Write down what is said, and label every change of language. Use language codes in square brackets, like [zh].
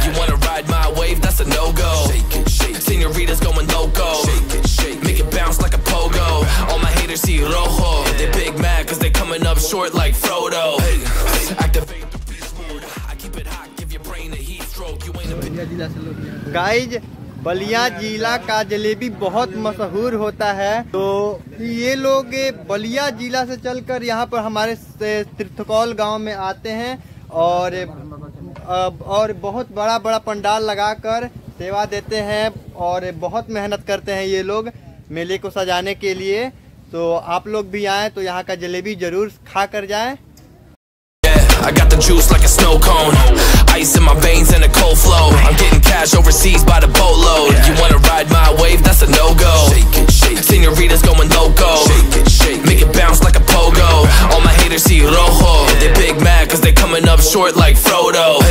[en] You wanna ride my wave? That's a no-go. Shake it, shake. Senorita's going loco. Shake it, shake. Make it bounce like a pogo. All my haters see rojo. They big mad 'cause they coming up short like Frodo. Activate the beast mode. I keep it hot, give your brain a heat stroke. You ain't a bitch. Guys. [hi] Ballia जिला का जलेबी बहुत मशहूर होता है, तो ये लोग बलिया जिला से चलकर यहाँ पर हमारे तीर्थकौल गांव में आते हैं और बहुत बड़ा बड़ा पंडाल लगाकर सेवा देते हैं और बहुत मेहनत करते हैं ये लोग मेले को सजाने के लिए। तो आप लोग भी आएँ तो यहाँ का जलेबी जरूर खा कर जाएँ। [en] I got the juice like a snow cone, ice in my veins and a cold flow. I'm getting cash overseas by the boatload. You wanna ride my wave? That's a no-go. Shake it, shake. Senorita's going loco. Shake it, shake. Make it bounce like a pogo. All my haters see rojo. They big mad 'cause they coming up short like Frodo.